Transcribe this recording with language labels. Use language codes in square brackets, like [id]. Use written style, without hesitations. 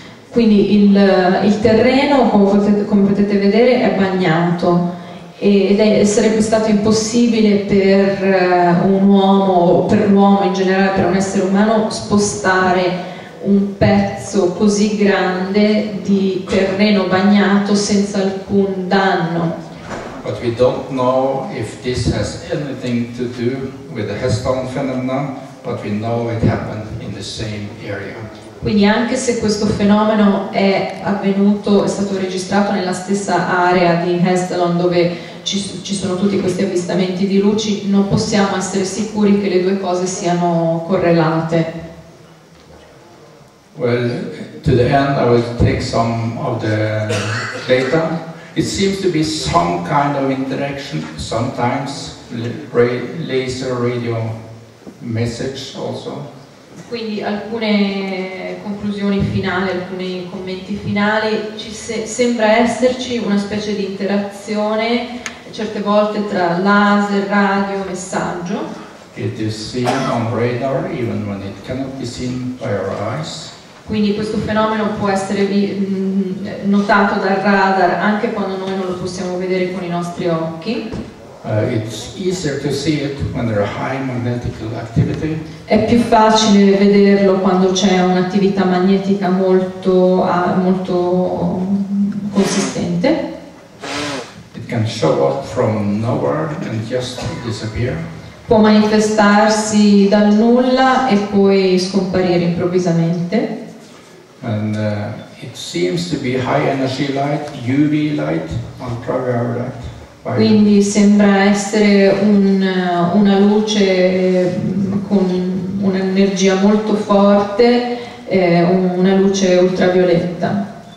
[it] Quindi il terreno, come potete vedere, è bagnato ed è sarebbe stato impossibile per un uomo, per l'uomo in generale, per un essere umano, spostare un pezzo così grande di terreno bagnato senza alcun danno. [en] But we don't know if this has anything to do with the Hestaden phenomenon, but we know it happened in the same area. [it] Quindi anche se questo fenomeno è stato registrato nella stessa area di Hestaden dove ci sono tutti questi avvistamenti di luci, non possiamo essere sicuri che le due cose siano correlate. [en] Well, to the end I will take some of the data. It seems to be some kind of interaction, sometimes laser radio message also. [it] Quindi alcune conclusioni finali, alcuni commenti finali. Sembra esserci una specie di interazione certe volte tra laser, radio, messaggio. [en] It is seen on radar even when it cannot be seen by our eyes. [it] Quindi questo fenomeno può essere notato dal radar anche quando noi non lo possiamo vedere con i nostri occhi. [en] It's easier to see it when there are high magnetic activity. [it] È più facile vederlo quando c'è un'attività magnetica molto molto consistente. [en] It can show up from nowhere and just disappear. [it] Può manifestarsi dal nulla e poi scomparire improvvisamente. [en] And it seems to be high energy light, UV light, ultraviolet light. [it] Quindi sembra essere una luce con un'energia molto forte, una luce ultravioletta.